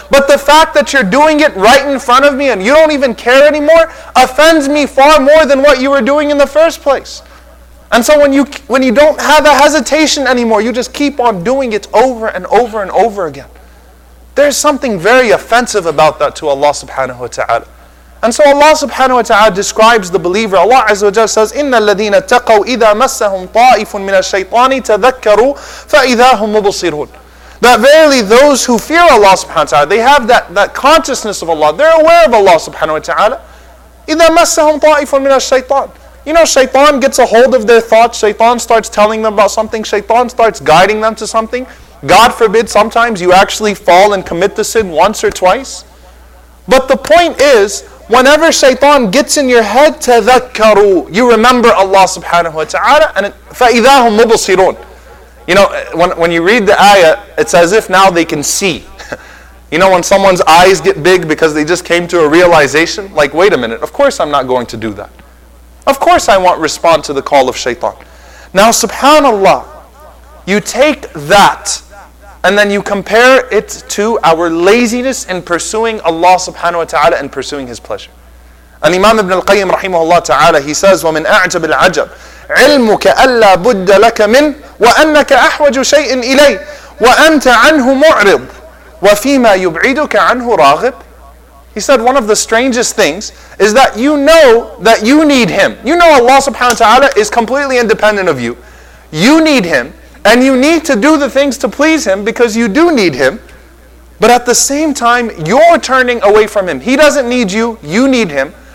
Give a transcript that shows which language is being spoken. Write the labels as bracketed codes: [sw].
[en] But the fact that you're doing it right in front of me and you don't even care anymore offends me far more than what you were doing in the first place. And so when you don't have a hesitation anymore, you just keep on doing it over and over and over again. There's something very offensive about that to Allah subhanahu wa ta'ala. And so Allah subhanahu wa ta'ala describes the believer. Allah azza wa jalla says, [ar] إِنَّ الَّذِينَ تَقَوْا إِذَا مَسَّهُمْ طَائِفٌ مِنَ الشَّيْطَانِ تَذَكَّرُوا فَإِذَا هُمْ مُبُصِرُونَ. [en] That verily those who fear Allah subhanahu wa ta'ala, they have that consciousness of Allah. They're aware of Allah subhanahu wa ta'ala. [ar] إِذَا مَسَّهُمْ طَائِفٌ مِنَ الشَّيْطَانِ. [en] You know, shaitan gets a hold of their thoughts. Shaitan starts telling them about something. Shaitan starts guiding them to something. God forbid, sometimes you actually fall and commit the sin once or twice. But the point is, whenever shaitan gets in your head, [ar] تذكروا, [en] you remember Allah subhanahu wa ta'ala, and [ar] فَإِذَا هُمْ مُبُصِرُونَ. [en] You know, when you read the ayah, it's as if now they can see. You know, when someone's eyes get big because they just came to a realization, like, wait a minute, of course I'm not going to do that. Of course I won't respond to the call of shaitan. Now subhanallah, you take that, and then you compare it to our laziness in pursuing Allah subhanahu wa ta'ala and pursuing His pleasure. And Imam Ibn al-Qayyim rahimahullah ta'ala, he says, [ar] وَمِنْ أَعْجَبِ الْعَجَبِ عِلْمُكَ أَلَّا بُدَّ لَكَ مِنْ وَأَنَّكَ أَحْوَجُ شَيْءٍ إِلَيْهِ وَأَنْتَ عَنْهُ مُعْرِضُ وَفِيمَا يُبْعِدُكَ عَنْهُ رَاغِبُ. [en] He said, one of the strangest things is that you know that you need Him. You know Allah subhanahu wa ta'ala is completely independent of you. You need Him. And you need to do the things to please Him because you do need Him. But at the same time, you're turning away from Him. He doesn't need you, you need Him.